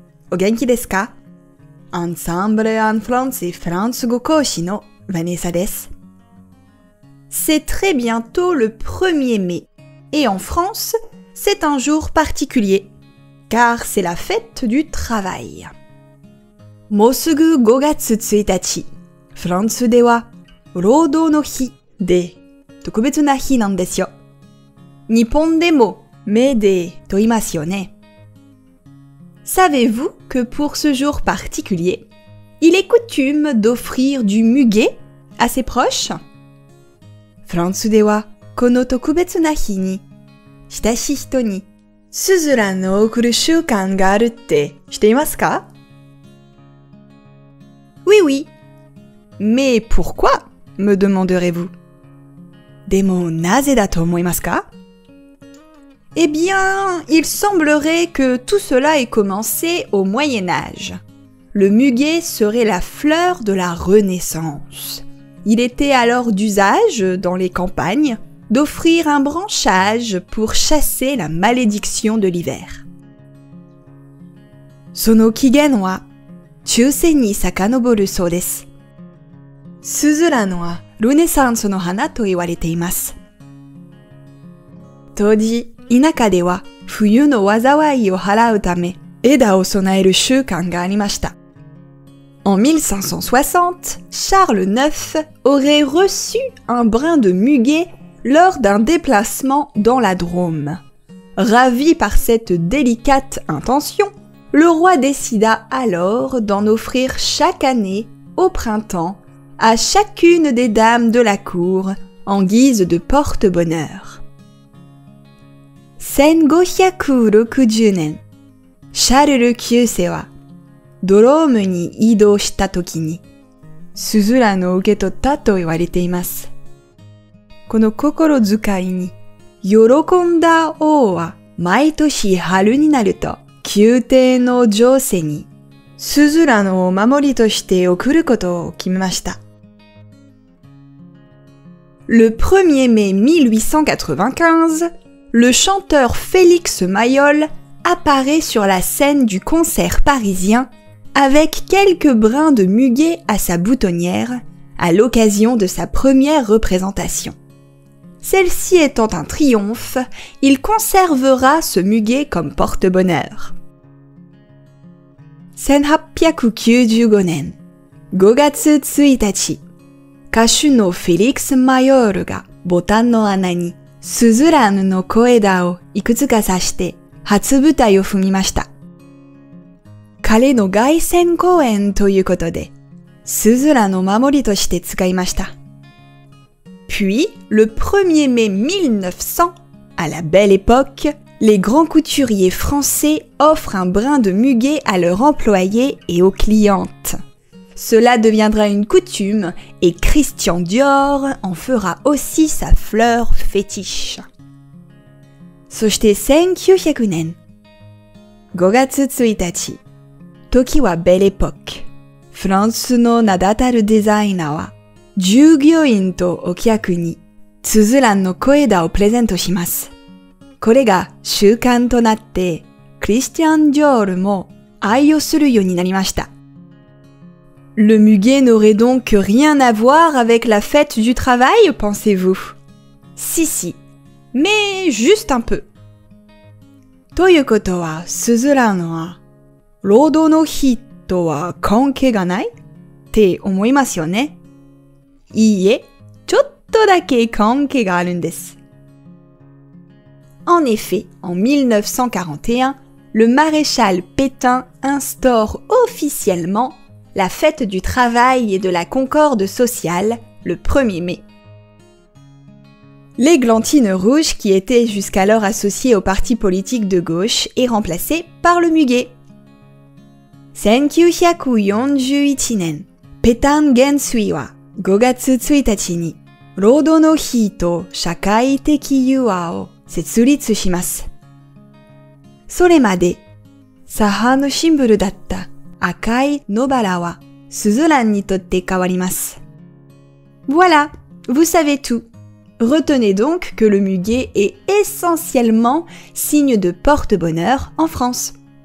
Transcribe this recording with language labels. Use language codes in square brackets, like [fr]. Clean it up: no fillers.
[ja] お元気ですか? [fr] Ensemble en français, [ja] France Go Koshi no Vanessa です。 [fr] C'est très bientôt le 1er mai. Et en France, c'est un jour particulier. Car c'est la fête du travail. [ja] もうすぐ5月1日。フランスでは、労働の日で、特別な日なんですよ。日本でも、メーデーと言いますよね。 [fr] Savez-vous que pour ce jour particulier, il est coutume d'offrir du muguet à ses proches? [ja] フランスでは、この特別な日に、親しい人に、スズランの送る習慣があるって知っていますか? [fr] Oui, oui. Mais pourquoi, me demanderez-vous? [ja] でもなぜだと思いますか? [fr] Eh bien, il semblerait que tout cela ait commencé au Moyen-Âge. Le muguet serait la fleur de la Renaissance. Il était alors d'usage dans les campagnes,d'offrir un branchage pour chasser la malédiction de l'hiver. [ja] その起源は中世に遡るそうです。スズランはルネサンスの花と言われています。当時、田舎では冬の災いを払うため枝を備える習慣がありました。 [fr] En 1560, Charles IX aurait reçu un brin de muguetLors d'un déplacement dans la Drôme. Ravi par cette délicate intention, le roi décida alors d'en offrir chaque année, au printemps, à chacune des dames de la cour, en guise de porte-bonheur. [ja] 1560年、シャルル9世は、ドロームに移動した時に、スズランを受け取ったと言われています。この心遣いに、喜んだ王は、毎年春になると、宮廷の情勢に、スズランを守りとして送ることを決めました。 [fr] Le 1er mai 1895, le chanteur Félix Mayol apparaît sur la scène du concert parisien avec quelques brins de muguet à sa boutonnière à l'occasion de sa première représentation. Celle-ci étant un triomphe, il conservera ce muguet comme porte-bonheur. [ja] 1895年5月1日、歌手のフェリックス・マヨールがボタンの穴にスズランの小枝をいくつか刺して初舞台を踏みました。彼の凱旋公演ということで、スズランの守りとして使いました。 [fr] Puis, le 1er mai 1900, à la belle époque, les grands couturiers français offrent un brin de muguet à leurs employés et aux clientes. Cela deviendra une coutume et Christian Dior en fera aussi sa fleur fétiche. [ja] そして1900年、5月1日、時は belle époque. フランスの名だたるデザイナーは、従業員とお客に、スズランの小枝をプレゼントします。これが習慣となって、クリスティアン・ディオールも愛用するようになりました。 [fr] Le muguet n'aurait donc rien à voir avec la fête du travail, pensez-vous? Si, si. Mais juste un peu. [ja] ということは、スズランは、労働の日とは関係がない? って思いますよね。いいえ、ちょっとだけ関係があるんです。 [fr] En effet, en 1941, le maréchal Pétain instaure officiellement la fête du travail et de la concorde sociale le 1er mai. L'églantine rouge qui était jusqu'alors associée au parti politique de gauche est remplacée par le muguet. [ja] 1941年、ペタン元帥は5月1日に労働の日と社会的友和を設立します。それまで、左派のシンボルだった赤い野バラはスズランにとって変わります。 [fr] Voilà, vous savez tout. Retenez donc que le muguet est essentiellement signe de porte-bonheur en France.